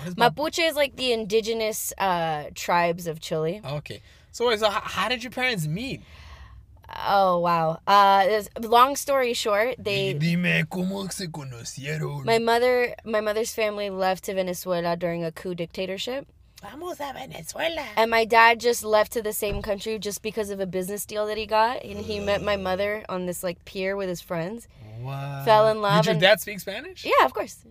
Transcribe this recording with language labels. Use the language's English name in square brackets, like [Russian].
[English] Mapuche is like the indigenous tribes of Chile. Okay. So how did your parents meet? Oh, wow. Long story short, they... [Spanish] Dime, ¿cómo se conocieron? [English] My mother's family left to Venezuela during a coup dictatorship. [Spanish] Vamos a Venezuela. [English] And my dad just left to the same country just because of a business deal that he got. And he met my mother on this, like, pier with his friends. What? Fell in love. Did your dad speak Spanish? Yeah, of course.